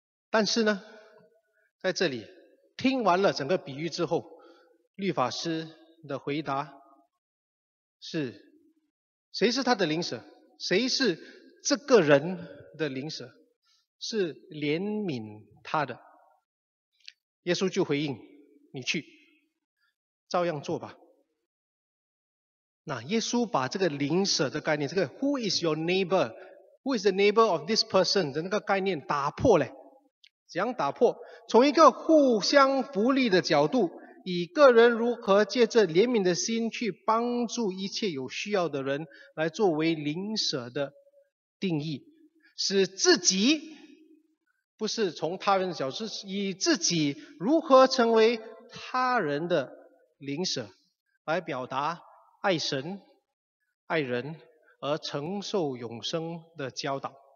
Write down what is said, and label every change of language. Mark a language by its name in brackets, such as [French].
[Chinese] 但是呢，在这里听完了整个比喻之后，律法师的回答是，谁是他的邻舍，谁是这个人的邻舍，是怜悯他的。耶稣就回应，你去照样做吧。那耶稣把这个邻舍的概念，这个 [English] who is your neighbor, who is the neighbor of this person [Chinese] 的那个概念打破了。怎样打破？从一个互相福利的角度，以个人如何借着怜悯的心去帮助一切有需要的人来作为邻舍的定义，使自己不是从他人的角度，以自己如何成为他人的邻舍来表达爱神爱人而承受永生的教导。